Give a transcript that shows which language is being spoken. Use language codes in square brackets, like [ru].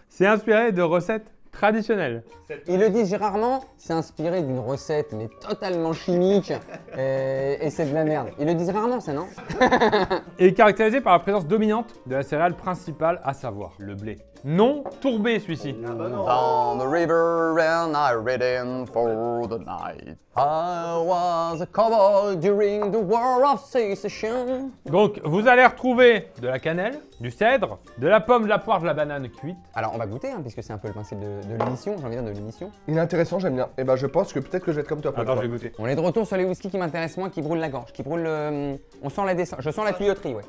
[fr] C'est inspiré de recettes traditionnelles. Ils le disent rarement, c'est inspiré d'une recette mais totalement chimique et c'est de la merde. Ils le disent rarement ça, non? Et caractérisé par la présence dominante de la céréale principale, à savoir le blé. Non tourbé celui-ci. [en] Down the river and I rid in for the night. I was a cowboy during the war of secession. [fr] Donc vous allez retrouver de la cannelle, du cèdre, de la pomme, de la poire, de la banane cuite. Alors on va goûter hein, puisque c'est un peu le principe de l'émission, j'ai envie de dire de l'émission. Il est intéressant, j'aime bien. Et ben je pense que peut-être que je vais être comme toi. Attends, je vais goûter. On est de retour sur les whiskies qui m'intéressent moins, qui brûlent la gorge, qui brûlent le. On sent la descente. Je sens la tuyauterie, ouais.